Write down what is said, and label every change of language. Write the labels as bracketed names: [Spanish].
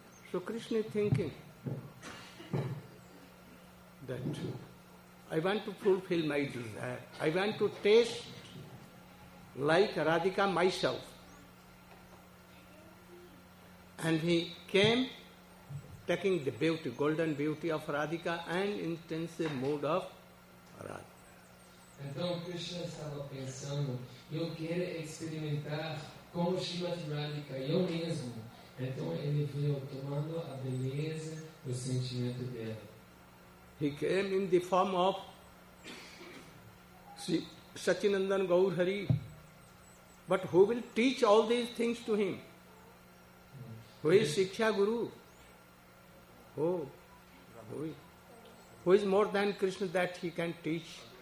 [English] So Krishna is thinking that I want to fulfill my desire. I want to taste like Radhika myself. And he came taking the beauty, golden beauty of Radhika and intensive mood of Radha. [Portuguese] Então Krishna estava pensando, eu quero experimentar com Srimati Radhika, eu mesmo. Então ele veio tomando a beleza do sentimento dela. [English] He came in the form of Sachinandan Gaur Hari. But who will teach all these things to him? Who is Shikshya Guru? Who is more than Krishna that he can teach?